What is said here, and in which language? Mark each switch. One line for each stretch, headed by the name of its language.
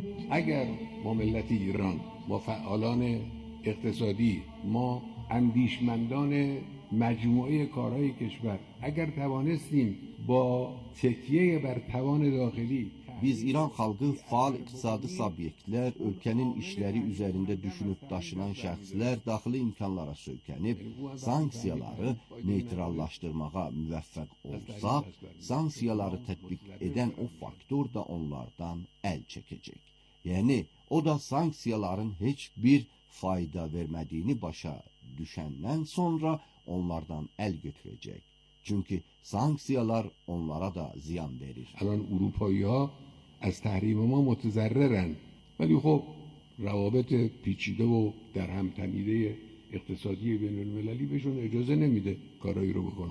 Persian: اگر ما ملت ایران، ما فعالان اقتصادی، ما اندیشمندان مجموعه کارهای کشور اگر توانستیم با تکیه بر توان داخلی
Azerbaijani: Biz İran xalqı faal iqtisadi subyektlər, ölkənin işləri üzərində düşünüb daşınan şəxslər daxili imkanlara söykənib, sanksiyaları neytrallaşdırmağa müvəffəq olsaq, sanksiyaları tətbiq edən o faktor da onlardan əl çəkəcək. Yəni, o da sanksiyaların heç bir fayda vermədiyini başa düşəndən sonra onlardan əl götürəcək. Çünki sanksiyalar onlara da ziyan verir. Həlan, Avropaya
Persian: از تحریم ما متضررن ولی خب روابط پیچیده و درهم تنیده اقتصادی بین المللی بهشون اجازه نمیده کارایی رو بکنن